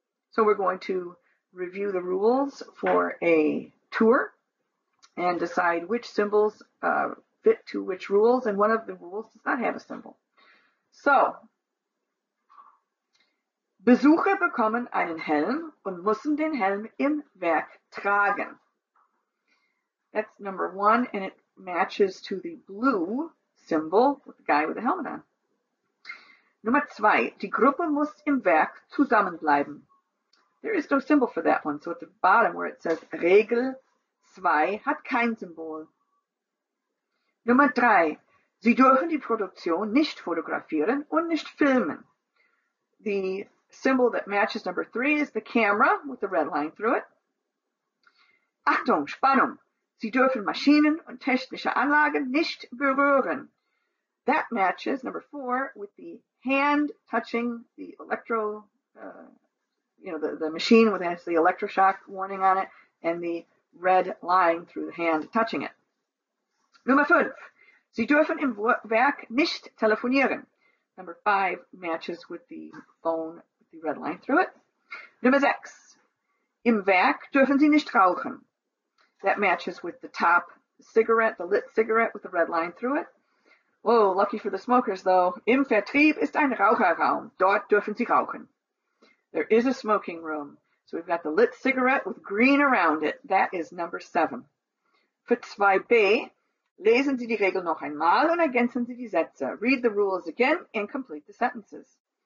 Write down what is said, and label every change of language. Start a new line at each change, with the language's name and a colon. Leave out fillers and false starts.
English: So, we're going to review the rules for a tour and decide which symbols fit to which rules, and one of the rules does not have a symbol.
German: So, Besucher bekommen einen Helm und müssen den Helm im Werk tragen.
English: That's number one, and it matches to the blue symbol with the guy with the helmet on. Number 2,
German: die Gruppe muss im Werk zusammenbleiben.
English: There is no symbol for that one, so at the bottom where it says
German: Regel 2 hat kein Symbol.
English: Number 3,
German: Sie dürfen die Produktion nicht fotografieren und nicht filmen.
English: The symbol that matches number 3 is the camera with the red line through it.
German: Achtung, Spannung. Sie dürfen Maschinen und technische Anlagen nicht berühren.
English: That matches number 4 with the hand touching the electro, the machine with the electroshock warning on it and the red line through the hand touching it. Number 5.
German: Sie dürfen im Werk nicht telefonieren.
English: Number 5 matches with the phone with the red line through it. Number 6.
German: Im Werk dürfen Sie nicht rauchen.
English: That matches with the top cigarette, the lit cigarette with the red line through it. Oh, lucky for the smokers, though.
German: Im Vertrieb ist ein Raucherraum. Dort dürfen Sie rauchen.
English: There is a smoking room. So we've got the lit cigarette with green around it. That is number 7. For 2b,
German: lesen Sie die Regel noch einmal und ergänzen Sie die Sätze.
English: Read the rules again and complete the sentences.